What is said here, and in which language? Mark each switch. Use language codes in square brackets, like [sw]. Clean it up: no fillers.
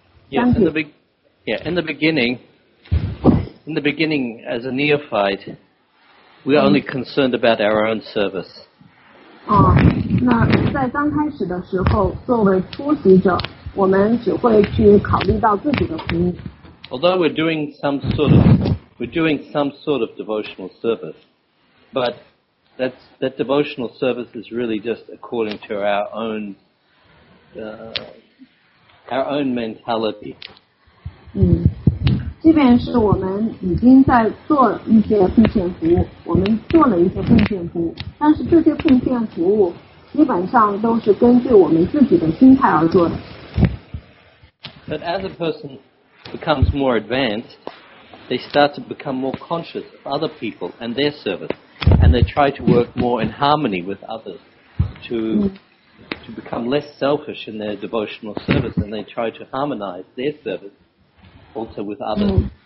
[en] In the beginning, as a neophyte, we are only concerned about our own service. [zh] 那在刚开始的时候，作为初级者。我们只会去考虑到自己的服务。 [en] Although we're doing some sort of devotional service, but that devotional service is really just according to our own mentality. [zh] 即便是我们已经在做一些奉献服务，我们做了一些奉献服务，但是这些奉献服务基本上都是根据我们自己的心态而做的。 [en] But as a person becomes more advanced, they start to become more conscious of other people and their service, and they try to work more in harmony with others to become less selfish in their devotional service, and they try to harmonize their service also with others.